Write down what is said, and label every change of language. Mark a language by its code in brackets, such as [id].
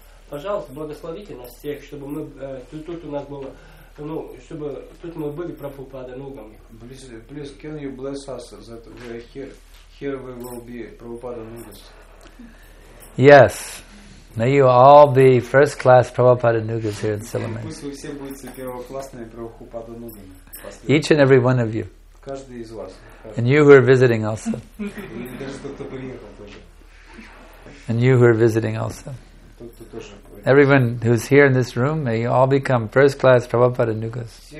[ru] Пожалуйста, благословите нас всех, чтобы мы тут у нас было. Ну, чтобы тут мы были Прабхупада Нугами. [en] Please, can you bless us that we are here? Here we will be Prabhupada Nugas. Yes. May you all be first class Prabhupada Nugas here in Ceylon. [ru] Пусть вы все будете первоклассные Прабхупада Нугами. [en] Each and every one of you. [ru] Каждый из вас. [en] And you who are visiting also. [ru] И даже тот, кто приехал тоже. [en] And you who are visiting also. Everyone who's here in this room, may you all become first class Prabhupada Nugas.